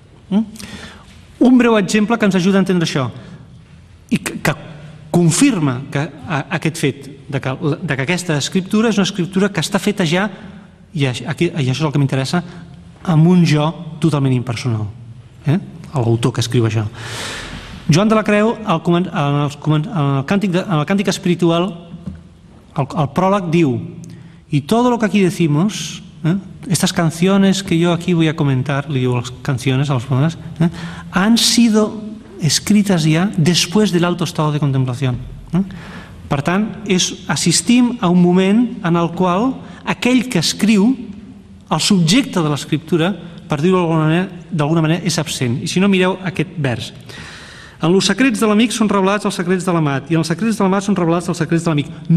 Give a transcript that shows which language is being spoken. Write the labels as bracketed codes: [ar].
[ca] Un breu exemple que ens ajuda a entendre això i que confirma que aquest fet que aquesta escriptura és una escriptura que està feta ja, i això és el que m'interessa, amb un jo totalment impersonal, l'autor que escriu això. Joan de la Creu, en el càntic espiritual, el pròleg diu: [es] "Y todo lo que aquí decimos, estas canciones que yo aquí voy a comentar", [ca] li diu les canciones a les monjas, [es] "han sido escritas ya después del alto estado de contemplación". [ca] Per tant, assistim a un moment en el qual aquell que escriu, el subjecte de l'escriptura, per dir-ho d'alguna manera, és absent. I si no, mireu aquest vers. En els secrets de l'amic són revelats els secrets de l'amat, i en els secrets de l'amat són revelats els secrets de l'amic.